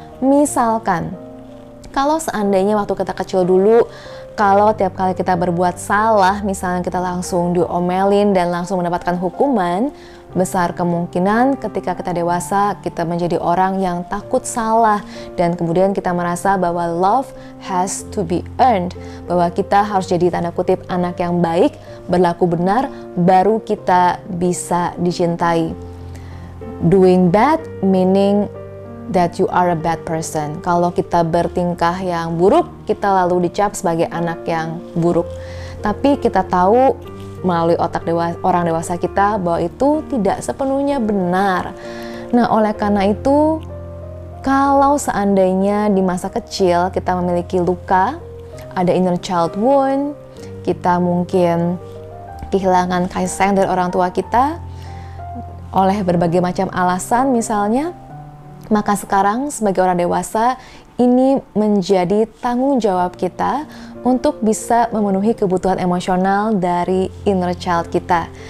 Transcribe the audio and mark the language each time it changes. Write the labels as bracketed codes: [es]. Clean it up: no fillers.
[id] Misalkan, kalau seandainya waktu kita kecil dulu, kalau tiap kali kita berbuat salah, misalnya kita langsung diomelin dan langsung mendapatkan hukuman, besar kemungkinan ketika kita dewasa, kita menjadi orang yang takut salah dan kemudian kita merasa bahwa love has to be earned, bahwa kita harus jadi tanda kutip anak yang baik, berlaku benar, baru kita bisa dicintai. [en] Doing bad meaning that you are a bad person. [id] Kalau kita bertingkah yang buruk, kita lalu dicap sebagai anak yang buruk. Tapi kita tahu melalui otak dewasa, orang dewasa kita, bahwa itu tidak sepenuhnya benar. Nah, oleh karena itu, kalau seandainya di masa kecil kita memiliki luka, ada inner child wound, kita mungkin kehilangan kasih sayang dari orang tua kita oleh berbagai macam alasan misalnya, maka sekarang sebagai orang dewasa, ini menjadi tanggung jawab kita untuk bisa memenuhi kebutuhan emosional dari inner child kita.